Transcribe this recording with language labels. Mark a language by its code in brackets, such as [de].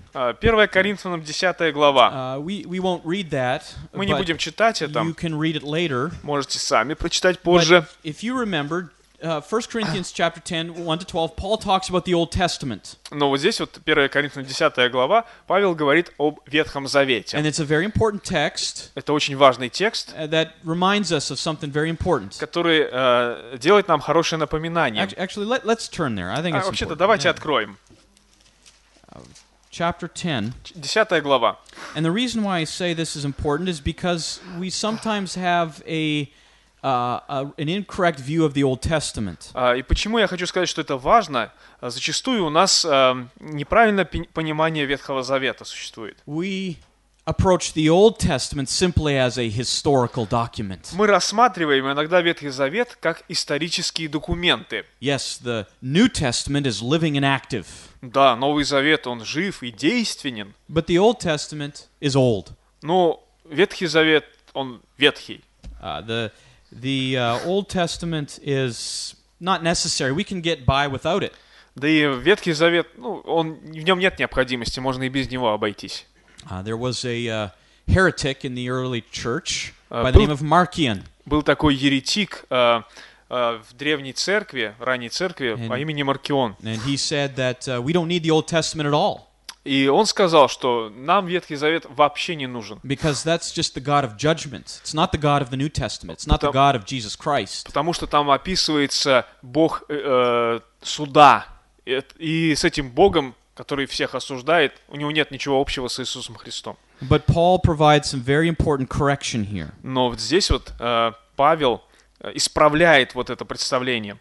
[ru] 1 Коринфянам 10 глава. [en] We won't read that. [ru] Мы не будем читать это. [en] You can read it later. [ru] Можете сами прочитать позже. [en] But if you remember, 1 Corinthians chapter 10, 1-12, Paul talks about the Old Testament. [ru] Но вот здесь вот 1 Коринфянам 10 глава, Павел говорит об Ветхом Завете. [en] And it's a very important text. [ru] Это очень важный текст. [en] That reminds us of something very important. [ru] Который делает нам хорошее напоминание. [en] Actually, let's turn there. I think it's [ru] вообще-то, [en] important. [ru] Давайте откроем. [en] Chapter 10. [ru] 10 глава. [en] And the reason why I say this is important is because we sometimes have an incorrect view of the Old Testament. [ru] И почему я хочу сказать, что это важно? Зачастую у нас неправильное понимание Ветхого Завета существует. [en] We approach the Old Testament simply as a historical document. [ru] Мы рассматриваем иногда Ветхий Завет как исторические документы. [en] Yes, the New Testament is living and active. [ru] Да, Новый Завет, он жив и действенен. [en] But the Old Testament is old. [ru] Но Ветхий Завет, он ветхий. [en] The Old Testament is not necessary. We can get by without it. [ru] Да и Ветхий Завет, ну, он в нём нет необходимости, можно и без него обойтись. [en] There was a heretic in the early church by the name of Marcion. [ru] Был такой еретик в древней церкви, ранней церкви по имени Маркион. [en] And he said that we don't need the Old Testament at all. [ru] И он сказал, что нам Ветхий Завет вообще не нужен. [en] Because that's just the God of judgment. It's not the God of the New Testament. It's not the God of Jesus Christ. [ru] Потому что там описывается Бог суда. И с этим Богом, который всех осуждает, у него нет ничего общего с Иисусом Христом. [en] But Paul provides some very important correction here. [ru] Но вот здесь вот Павел исправляет вот это представление.